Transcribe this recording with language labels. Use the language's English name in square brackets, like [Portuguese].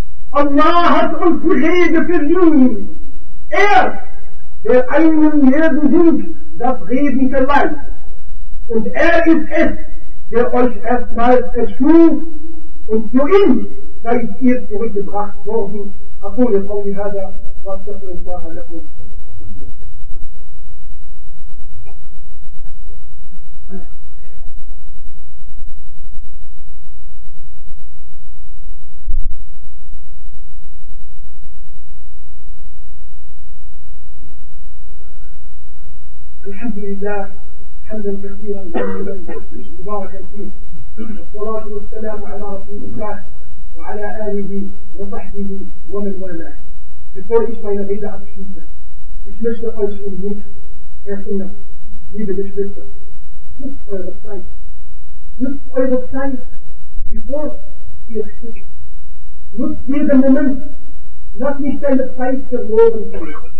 [German] Allah hat uns die Rede verliehen. Er, der einem jeden Ding das Reden verleiht. Und er ist es, der euch erstmals erschuf. Und zu ihm seid ihr zurückgebracht worden. Achso, jetzt auch wieder da. Was das für ein Wahrheit [Arabic] الحمد لله حمدا كثيرا جميلا مباركا فيه الصلاة والسلام على رسول الله وعلى آله وصحبه ومن والاه. [German] Bevor ich meine Rede abschließe, ich möchte euch um mich erinnern, liebe Geschwister, nutzt eure Zeit. Nutzt eure Zeit, bevor ihr stirbt. Nutzt jeden Moment. Lass nicht deine Zeit verloren gehen.